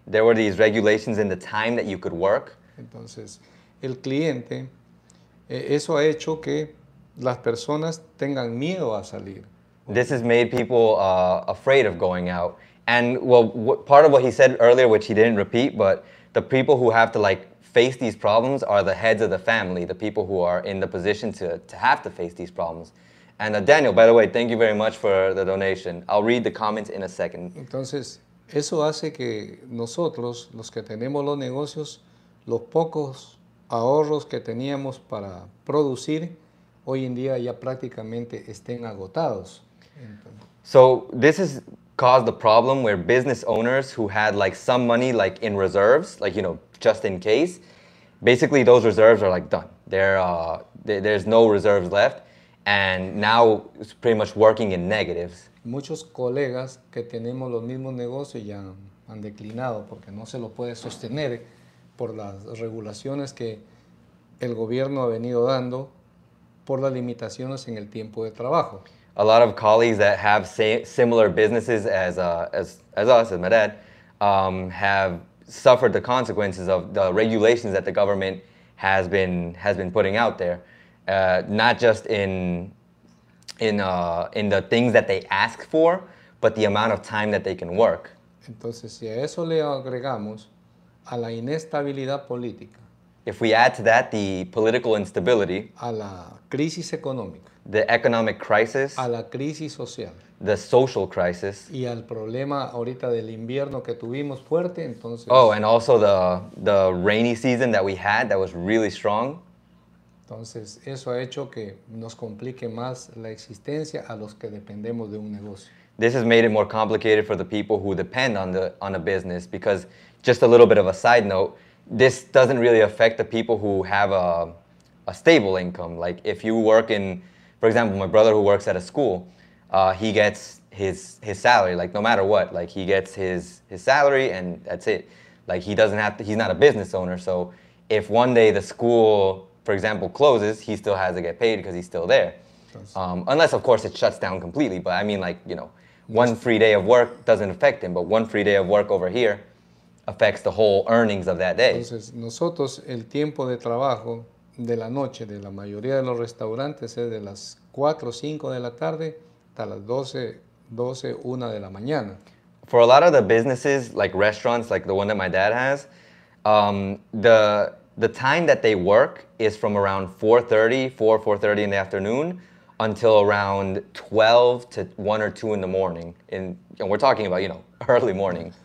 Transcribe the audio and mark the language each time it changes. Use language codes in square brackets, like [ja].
[en] There were these regulations in the time that you could work. [es] Entonces, el cliente, eso ha hecho que las personas tengan miedo a salir. [en] This has made people afraid of going out. And, part of what he said earlier, which he didn't repeat, but the people who have to, like, face these problems are the heads of the family, the people who are in the position to have to face these problems. And Daniel, by the way, thank you very much for the donation. I'll read the comments in a second. [es] Entonces, eso hace que nosotros, los que tenemos los negocios, los pocos ahorros que teníamos para producir, hoy en día ya prácticamente estén agotados. Entonces, [en] so this is caused the problem where business owners who had like some money like in reserves, like, you know, just in case, basically those reserves are like done. There's no reserves left, and now it's pretty much working in negatives. [es] Muchos colegas que tenemos los mismos negocios ya han declinado porque no se lo puede sostener por las regulaciones que el gobierno ha venido dando por las limitaciones en el tiempo de trabajo. [en] A lot of colleagues that have similar businesses as us, as my dad, have suffered the consequences of the regulations that the government has been putting out there. Not just in the things that they ask for, but the amount of time that they can work. [es] Entonces, si a eso le agregamos a la inestabilidad política. [en] If we add to that the political instability. [es] A la crisis económica. [en] The economic crisis. [es] A la crisis social. [en] The social crisis. [es] Y al problema ahorita del invierno que tuvimos fuerte, entonces. [en] Oh, and also the rainy season that we had that was really strong. [es] Entonces, eso ha hecho que nos complique más la existencia a los que dependemos de un negocio. [en] This has made it more complicated for the people who depend on a business, because just a little bit of a side note, this doesn't really affect the people who have a stable income. Like if you work in, for example, my brother who works at a school, he gets his salary, like no matter what, like he gets his salary and that's it. Like he doesn't have to, he's not a business owner. So if one day the school, for example, closes, he still has to get paid because he's still there. Unless of course it shuts down completely, but I mean like, you know, one free day of work doesn't affect him, but one free day of work over here affects the whole earnings of that day. [es] Entonces, nosotros el tiempo de trabajo de la noche de la mayoría de los restaurantes es de las 4 o 5 de la tarde hasta las 12, 1 de la mañana. [en] For a lot of the businesses, like restaurants, like the one that my dad has, the time that they work is from around 4:30 in the afternoon until around 12 to 1 or 2 in the morning. And we're talking about, you know, early morning.